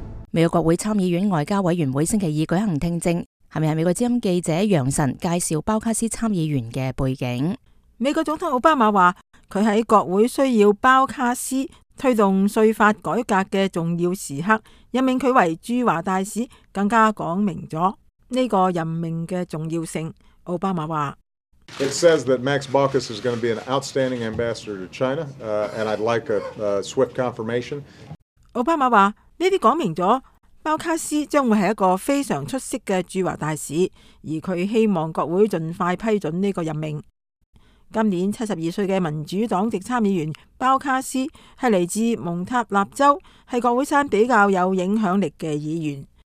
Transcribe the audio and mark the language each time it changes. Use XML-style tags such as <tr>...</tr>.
<zh>美国国会参议院外交委员会星期二举行听证，下面是美国之音记者杨晨介绍鲍卡斯参议员的背景。美国总统奥巴马说，他在国会需要鲍卡斯推动税法改革的重要时刻，任命他为驻华大使更加讲明了这个任命的重要性。奥巴马说，</zh> <en>It says that Max Baucus is going to be an outstanding ambassador to China, and I'd like a swift confirmation.</en> <zh>奥巴马说，这些讲明了鲍卡斯将会是一个非常出色的驻华大使，而他希望国会尽快批准这个任命。今年72岁的民主党籍参议员鲍卡斯是来自蒙塔纳州，是国会山比较有影响力的议员。</zh>